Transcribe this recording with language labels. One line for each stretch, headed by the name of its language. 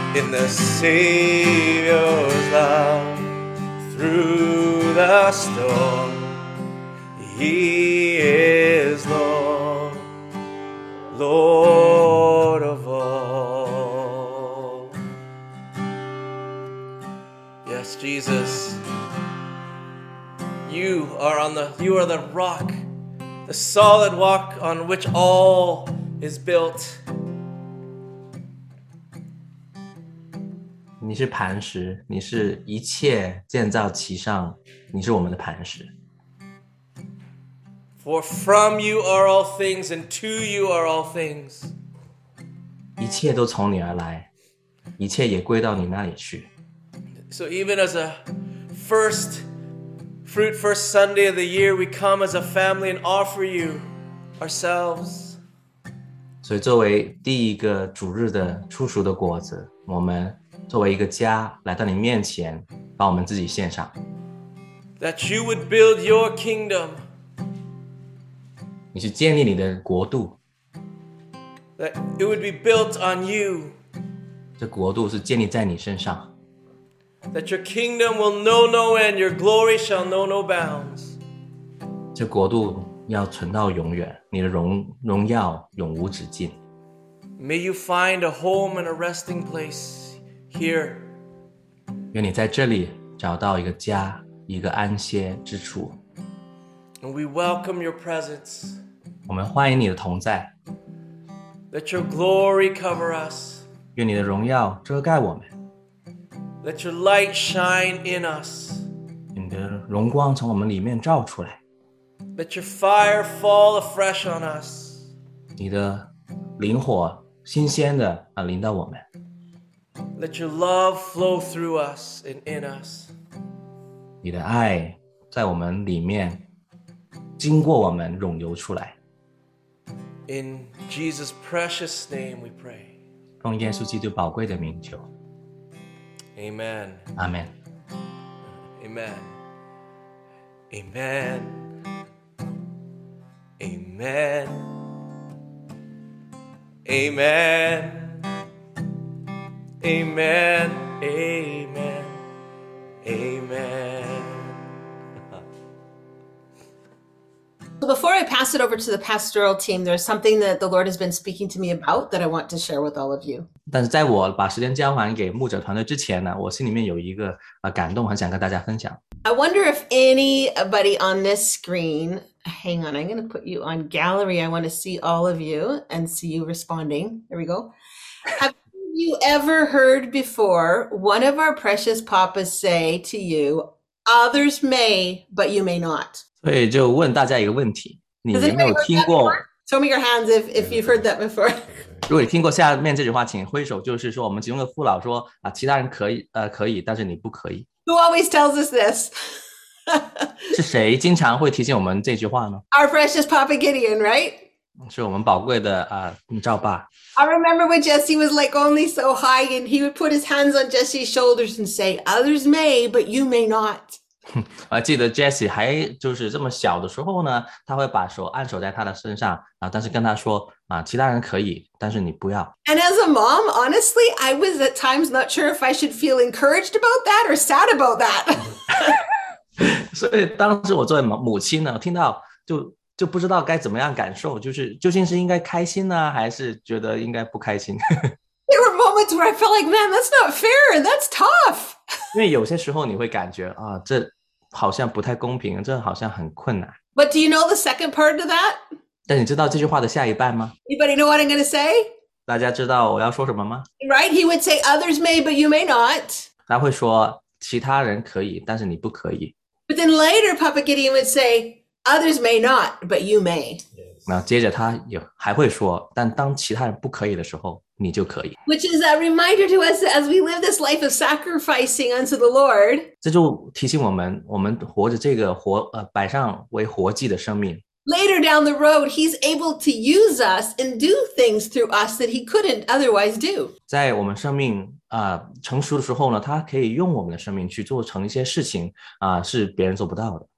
English: The Savior's love, through the storm, He is Lord, Lord of all. Yes, Jesus, you are the rock, the solid rock on which all is built.
Chinese: 你是磐石，你是一切建造其上，你是我们的磐石。
English: For from you are all things, and to you are all things.
Chinese: 一切都从你而来，一切也归到你那里去。
English: So even as a first fruit, first Sunday of the year, we come as a family and offer you ourselves.
Chinese: 所以作为第一个主日的初熟的果子，我们作为一个家来到你面前，把我们自己献上。
English: That you would build your kingdom.
Chinese: 你去建立你的国度。
English: That it would be built on you.
Chinese: 这国度是建立在你身上。
English: That your kingdom will know no end, your glory shall know no bounds.
Chinese: 这国度要存到永远，你的荣耀永无止境。
English: May you find a home and a resting place. Here.
Chinese: 愿你在这里找到一个家，一个安歇之处。
English: And we welcome your presence.
Chinese: 我们欢迎你的同在。
English: Let your glory cover us.
Chinese: 愿你的荣耀遮盖我们。
English: Let your light shine in us.
Chinese: 你的荣光从我们里面照出来。
English: Let your fire fall afresh on us.
Chinese: 你的灵火新鲜的啊临到我们。
English: Let your love flow through us and in us.
Chinese: 你的爱在我们里面经过我们涌流出来。
English: In Jesus' precious name we pray.
Chinese: 奉耶稣基督宝贵的名求。
English: Amen. Amen. Amen. Amen. Amen. Amen. Amen. Amen. Amen. So before I pass it over to the pastoral team, there's something that the Lord has been speaking to me about that I want to share with all of you.
Chinese: 但是在我把时间交还给牧者团队之前呢，我心里面有一个感动，很想跟大家分享。
English: I wonder if anybody on this screen, hang on, I'm going to put you on gallery. I want to see all of you and see you responding. There we go. Have you ever heard before one of our precious papas say to you, others may, but you may not?
Chinese: 所以就问大家一个问题，你有没有听过？
English: Show me your hands if you've heard that before.
Chinese: 如果你听过下面这句话，请挥手，就是说我们其中的父老说，其他人可以，但是你不可以。
English: Who always tells us this?
Chinese: 是谁经常会提醒我们这句话呢？
English: Our precious Papa Gideon, right?
Chinese: 是我们宝贵的赵爸。
English: I remember when Jesse was like only so high and he would put his hands on Jesse's shoulders and say, others may, but you may not.
Chinese: 我记得 Jesse 还就是这么小的时候呢，他会把手按守在他的身上，但是跟他说，其他人可以，但是你不要。
English: And as a mom, honestly, I was at times not sure if I should feel encouraged about that or sad about that.
Chinese: 所以当时我作为母亲呢，听到就不知道该怎么样感受，就是究竟是应该开心呢，还是觉得应该不开心。
English: There were moments where I felt like, man, that's not fair, that's tough.
Chinese: 因为有些时候你会感觉啊，这好像不太公平，这好像很困难。
English: But do you know the second part of that?
Chinese: 但你知道这句话的下一半吗？
English: Anybody know what I'm going to say?
Chinese: 大家知道我要说什么吗？
English: Right, he would say, others may, but you may not.
Chinese: 他会说，其他人可以，但是你不可以。
English: But then later, Papa Gideon would say, others may not, but you may.
Chinese: 那接着他也还会说，但当其他人不可以的时候，你就可以。
English: Which is a reminder to us as we live this life of sacrificing unto the Lord.
Chinese: 这就提醒我们，我们活着这个活，摆上为活祭的生命。
English: Later down the road, he's able to use us and do things through us that he couldn't otherwise do.
Chinese: 在我们生命成熟的时候呢，他可以用我们的生命去做成一些事情是别人做不到的。